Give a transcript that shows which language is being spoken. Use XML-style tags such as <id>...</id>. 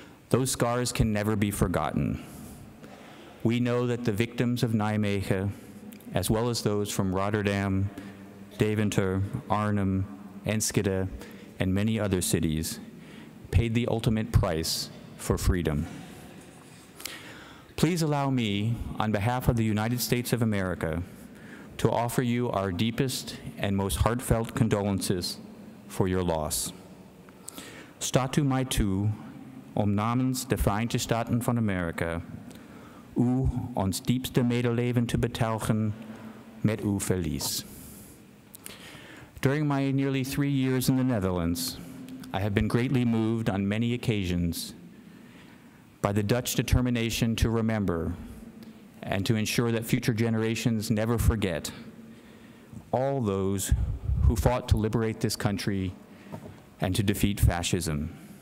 <en>Those scars can never be forgotten. We know that the victims of Nijmegen, as well as those from Rotterdam, Deventer, Arnhem, Enschede, and many other cities, paid the ultimate price for freedom. Please allow me, on behalf of the United States of America, to offer you our deepest and most heartfelt condolences for your loss.</en> <nl>Statu Maitu, om namens de Vereinigde Staten van Amerika, u ons diepste medeleven te betuigen met u verlies.</nl> <en>During my nearly 3 years in the Netherlands, I have been greatly moved on many occasions by the Dutch determination to remember and to ensure that future generations never forget all those who fought to liberate this country and to defeat fascism.</en>